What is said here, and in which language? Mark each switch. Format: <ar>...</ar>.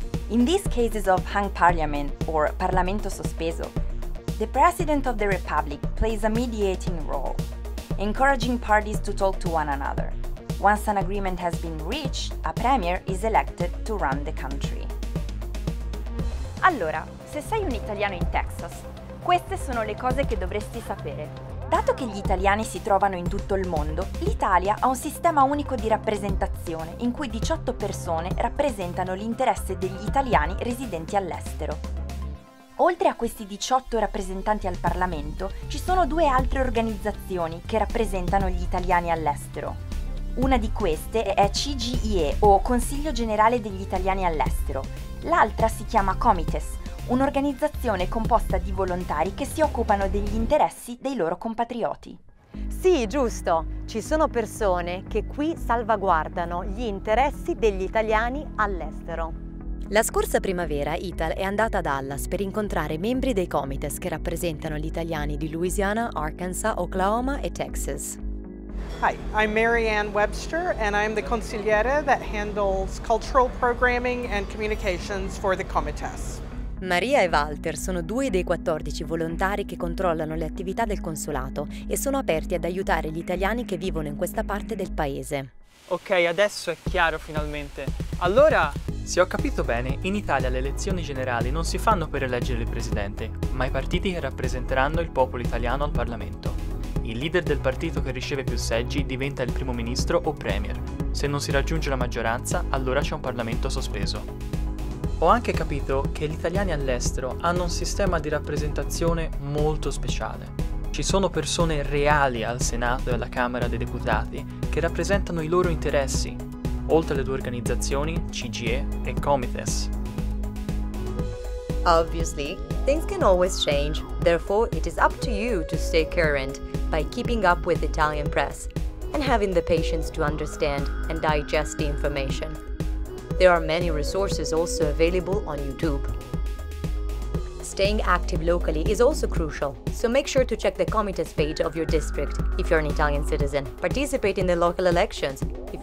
<en>In these cases of hung parliament or Parlamento sospeso, the President of the Republic plays a mediating role, encouraging parties to talk to one another. Once an agreement has been reached, a premier is elected to run the country.</en> <it>Allora, se sei un italiano in Texas, queste sono le cose che dovresti sapere. Dato che gli italiani si trovano in tutto il mondo, l'Italia ha un sistema unico di rappresentazione in cui 18 persone rappresentano l'interesse degli italiani residenti all'estero. Oltre a questi 18 rappresentanti al Parlamento, ci sono due altre organizzazioni che rappresentano gli italiani all'estero. Una di queste è CGIE, o Consiglio Generale degli Italiani all'Estero. L'altra si chiama Comites, un'organizzazione composta di volontari che si occupano degli interessi dei loro compatrioti. Sì, giusto! Ci sono persone che qui salvaguardano gli interessi degli italiani all'estero. La scorsa primavera Ital è andata a Dallas per incontrare membri dei Comites che rappresentano gli italiani di Louisiana, Arkansas, Oklahoma e Texas.</it> <en>Hi, I'm Mary Ann Webster and I'm the consigliere that handles cultural programming and communications for the Comites.</en> <it>Maria e Walter sono due dei 14 volontari che controllano le attività del consolato e sono aperti ad aiutare gli italiani che vivono in questa parte del paese. Ok, adesso è chiaro finalmente. Allora, se ho capito bene, in Italia le elezioni generali non si fanno per eleggere il presidente, ma i partiti che rappresenteranno il popolo italiano al Parlamento. Il leader del partito che riceve più seggi diventa il primo ministro o premier. Se non si raggiunge la maggioranza, allora c'è un parlamento sospeso. Ho anche capito che gli italiani all'estero hanno un sistema di rappresentazione molto speciale. Ci sono persone reali al Senato e alla Camera dei Deputati che rappresentano i loro interessi, oltre alle due organizzazioni, CGE e Comites.</it> <en>Obviously, things can always change. Therefore, it is up to you to stay current by keeping up with Italian press and having the patience to understand and digest the information. There are many resources also available on YouTube. Staying active locally is also crucial, so make sure to check the Comites page of your district if you're an Italian citizen. Participate in the local elections if</en>